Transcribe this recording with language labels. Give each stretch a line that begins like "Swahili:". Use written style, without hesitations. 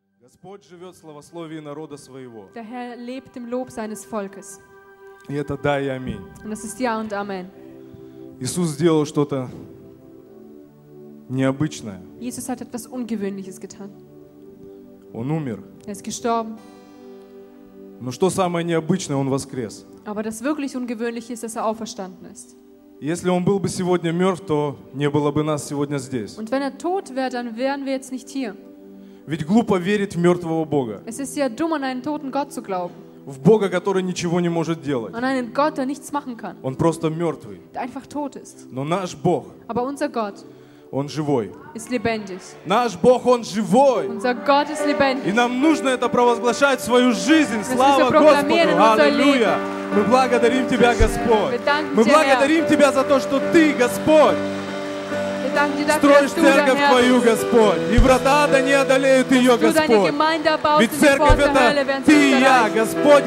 Russian: Господь живет в славословии народа своего.
German: Der Herr lebt im Lob seines Volkes.
Russian: И это да и аминь.
German: Und das ist ja und amen.
Russian: Иисус сделал что-то необычное.
German: Jesus hat etwas Ungewöhnliches getan.
Russian: Он умер.
German: Er ist gestorben.
Russian: Но что самое необычное, он воскрес.
German: Aber das wirklich Ungewöhnliche ist, dass er auferstanden ist.
Russian: Если он был бы сегодня мертв, то не было бы нас сегодня здесь.
German: Und wenn er tot wäre, dann wären wir jetzt nicht hier.
Russian: Ведь глупо верить в мертвого Бога.
German: Es ist ja dumm, an einen toten Gott zu glauben.
Russian: В Бога, который ничего не может делать.
German: An einen Gott, der nichts machen kann.
Russian: Он просто мертвый.
German: Der einfach tot ist.
Russian: Но наш Бог.
German: Aber unser Gott.
Russian: Он живой.
German: Ist lebendig.
Russian: Наш Бог, он живой.
German: Unser Gott ist lebendig.
Russian: И нам нужно это провозглашать в свою жизнь. Слава Господу. Аллилуйя. Мы благодарим Тебя, Господь. Мы благодарим Тебя за то, что Ты, Господь, строишь церковь Твою, Господь. И врата ада не одолеют ее, Господь. Ведь церковь — это Ты и я, Господь.